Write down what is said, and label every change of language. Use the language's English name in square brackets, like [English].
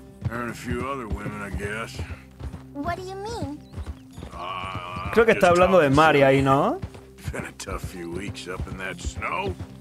[English] Her and a few other women, I guess. What do you mean? [Spanish] Creo que está hablando de Mari ahí, ¿no? [English] Been a tough few weeks up in that snow.